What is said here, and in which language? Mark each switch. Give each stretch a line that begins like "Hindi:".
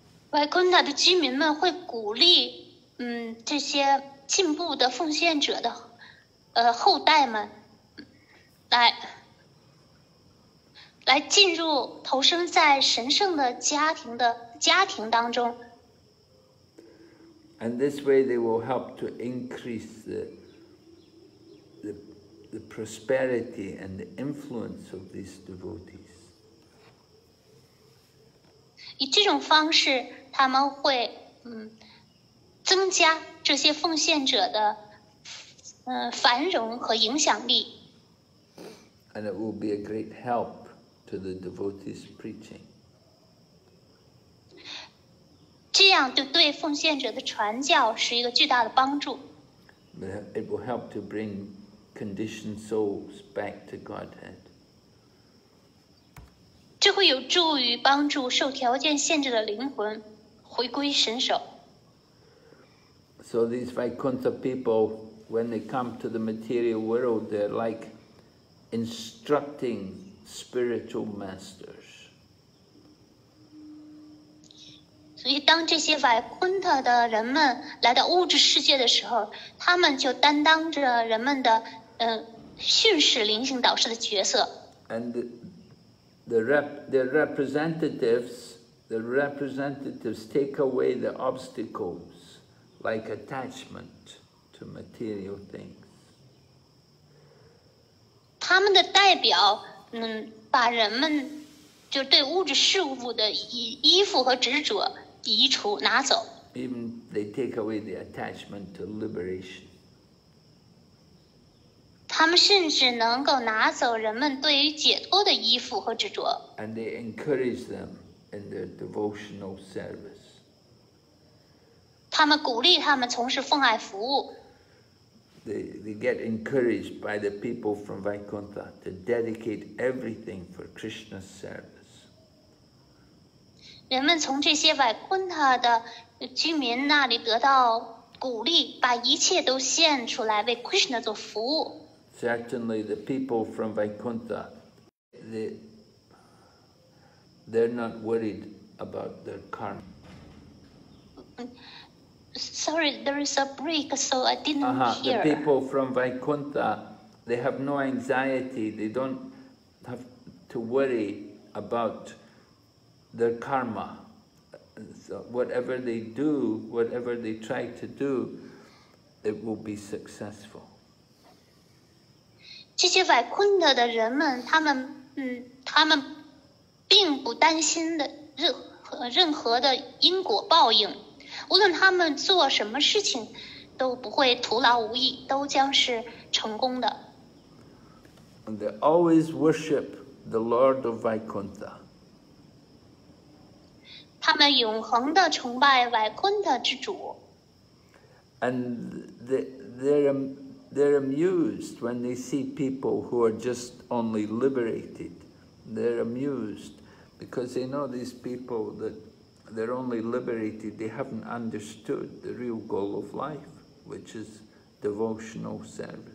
Chinese: Vaikuntha 的居民们会鼓励，这些进步的奉献者的，后代们来进入投生在神圣的家庭当中。
English: And this way they will help to increase the prosperity and the influence of these devotees.
Chinese: 以这种方式，他们会增加这些奉献者的繁荣和影响力。
English: And it will be a great help. To the devotees' preaching.
Chinese: 这样就对奉献者的传教是一个巨大的帮助。
English: It will help to bring conditioned souls back to Godhead.
Chinese: 这会有助于帮助受条件限制的灵魂回归神手。
English: So these Vaikuntha people, when they come to the material world, they're like instructing. Spiritual masters.
Chinese: 所以，当这些瓦昆特的人们来到物质世界的时候，他们就担当着人们的训示灵性导师的角色。
English: And the representatives take away the obstacles like attachment to material things.
Chinese: 他们的代表。把人们就对物质事物的依附和执着移除拿走。
English: Even they take away the attachment to liberation.
Chinese: 他他们甚至能够拿走人们对于解脱的衣服和执着。
English: And they encourage them in their devotional service.
Chinese: 他们鼓励他们从事奉爱服务。
English: They get encouraged by the people from Vaikuntha to dedicate everything for Krishna's service.
Chinese: 人们从这些维昆塔的居民那里得到鼓励，把一切都献出来为 Krishna 做服务。
English: Certainly, the people from Vaikuntha, they're not worried about their karma. Sorry, there is a break, so I didn't hear. The people from Vaikuntha, they have no anxiety. They don't have to worry about their karma. So whatever they do, whatever they try to do, it will be successful.
Chinese: 这些维昆特的人们，他们并不担心的任何的因果报应，无论他们做什么事情，都不会徒劳无益，都将是成功的。
English: They always worship the Lord of Vaikuntha.
Chinese: 他们永恒的崇拜维昆特之主。
English: And they're amused when they see people who are just only liberated. They're amused because they know these people that they're only liberated. They haven't understood the real goal of life, which is devotional service.